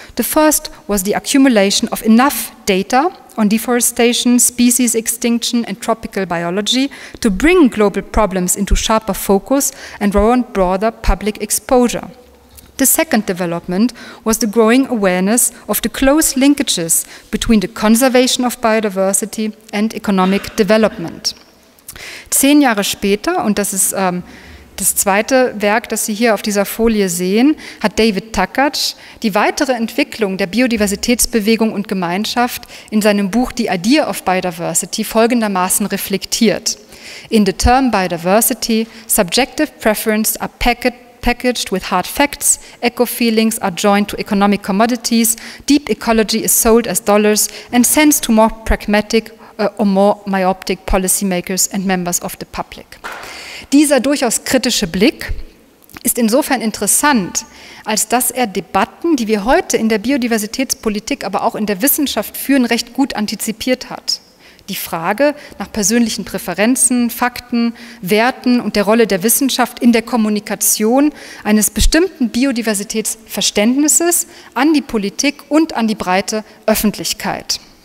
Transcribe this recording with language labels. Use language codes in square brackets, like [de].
[en] The first was the accumulation of enough data on deforestation, species extinction and tropical biology to bring global problems into sharper focus and warrant broader public exposure. The second development was the growing awareness of the close linkages between the conservation of biodiversity and economic development. [de] 10 Jahre später, und das ist das zweite Werk, das Sie hier auf dieser Folie sehen, hat David Takacs die weitere Entwicklung der Biodiversitätsbewegung und Gemeinschaft in seinem Buch The Idea of Biodiversity folgendermaßen reflektiert. [en] In the term biodiversity, subjective preferences are packaged with hard facts, eco-feelings are joined to economic commodities, deep ecology is sold as dollars and sends to more pragmatic or more myopic policymakers and members of the public. [de] Dieser durchaus kritische Blick ist insofern interessant, als dass er Debatten, die wir heute in der Biodiversitätspolitik, aber auch in der Wissenschaft führen, recht gut antizipiert hat. Die Frage nach persönlichen Präferenzen, Fakten, Werten und der Rolle der Wissenschaft in der Kommunikation eines bestimmten Biodiversitätsverständnisses an die Politik und an die breite Öffentlichkeit.